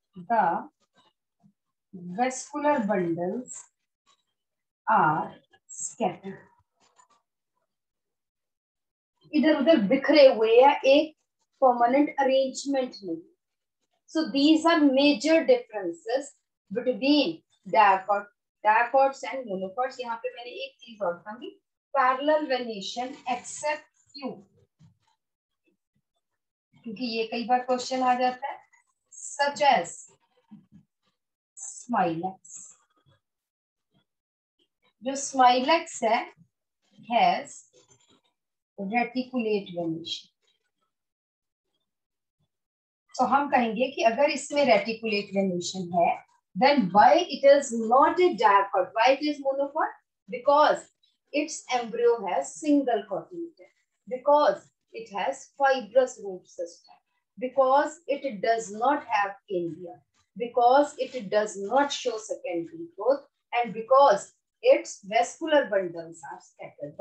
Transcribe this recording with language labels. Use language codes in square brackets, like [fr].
[en] the vascular bundles are scattered, [hi] इधर उधर बिखरे हुए हैं, एक permanent arrangement नहीं। [en] so these are major differences between dicots and monocots। [hi] यहाँ पे मैंने एक चीज और कही, [en] parallel venation except few, [hi] क्योंकि ये कई बार क्वेश्चन आ जाता है, [en] Such as Smilax, जो Smilax है has reticulate venation. [hi] तो हम कहेंगे कि अगर इसमें रेटिकुलेट वेनेशन है [en] then why it is not a dicot, why it is monocot, because its embryo has single cotyledon, because it has fibrous root system, because it does not have cambium, because it does not show secondary growth, and because its vascular bundles are scattered.